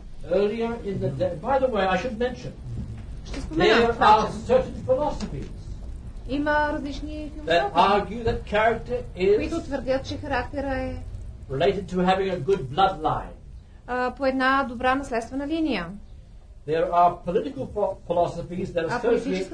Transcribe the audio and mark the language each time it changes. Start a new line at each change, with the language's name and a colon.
English: Earlier in the day, by the way, I should mention.
Bulgarian: Ще спомена,
English: there are certain philosophies.
Bulgarian: Има различни философии, които твърдят, че характера е
English: related to having a good bloodline.
Bulgarian: По една добра наследствена линия.
English: There are political philosophies that associate